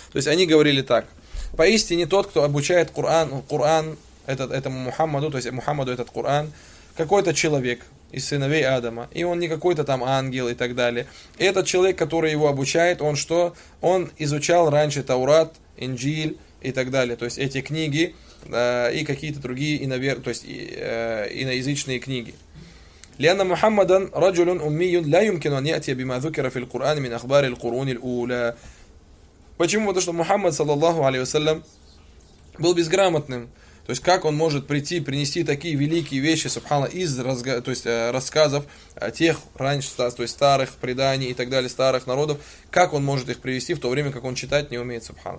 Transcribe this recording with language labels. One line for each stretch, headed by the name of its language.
Russian: То есть они говорили так: поистине тот, кто обучает Коран этому Мухаммаду, то есть Мухаммаду этот Коран, какой-то человек из сыновей Адама, и он не какой-то там ангел и так далее. И этот человек, который его обучает, он что? Он изучал раньше Таурат, Инджиль и так далее, то есть эти книги и какие-то другие иноязычные книги.
Arabic: لأن محمدًا رجل أمي لا يمكن أن يأتي بما ذكر في القرآن من أخبار القرون الأولى.
Russian: Почему? Потому что Мухаммад, саллаллаху алейхи вассалям, был безграмотным. То есть как он может прийти, принести такие великие вещи, субхана, из рассказов тех раньше, то есть старых преданий и так далее, старых народов, как он может их привести в то время, как он читать не умеет, субхана.